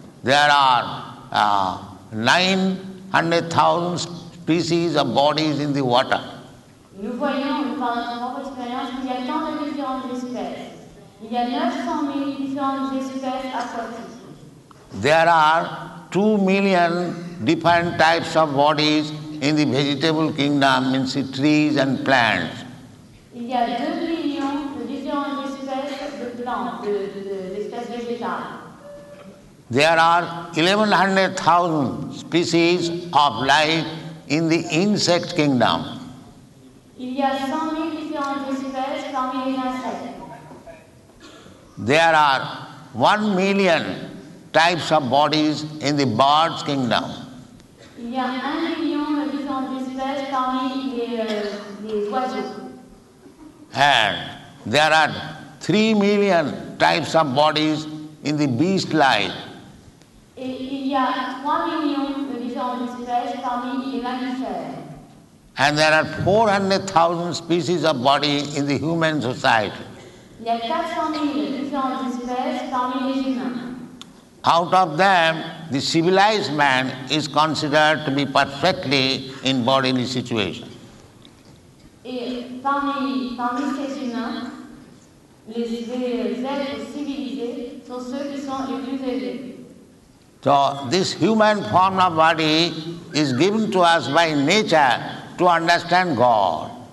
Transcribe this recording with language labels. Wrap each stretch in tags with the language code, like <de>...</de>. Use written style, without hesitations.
<en>There are 900,000 species of bodies in the water.</en> <fr>Nous voyons, nous parlons de notre expérience, qu'il y a tant de différentes espèces. Il y a 900 000 différentes espèces aquatiques.</fr> <en>There are 2 million different types of bodies in the vegetable kingdom, means trees and plants.</en> <fr>Il y a 2 millions de différentes espèces de plantes, de espèces végétales.</fr> <en>There are 1,100,000 species of life in the insect kingdom.</en> <fr>Il y a 100 000 différentes espèces parmi les insectes.</fr> <en>There are 1 million types of bodies in the birds kingdom.</en> <fr>Il y a 1 million de différentes espèces parmi les oiseaux.</fr> <en>And there are 3 million types of bodies in the beast life.</en> <fr>Et il y a 3 millions de différentes espèces parmi les mammifères.</fr> <en>And there are 400,000 species of body in the human society.</en> <fr>Il y a 400,000 espèces parmi les humains.</fr> <en>Out of them, the civilized man is considered to be perfectly in bodily situation.</en> <fr>Et parmi ces humains, les êtres civilisés sont ceux qui sont les plus élevés.</fr> <en>So this human form of body is given to us by nature to understand God.</en>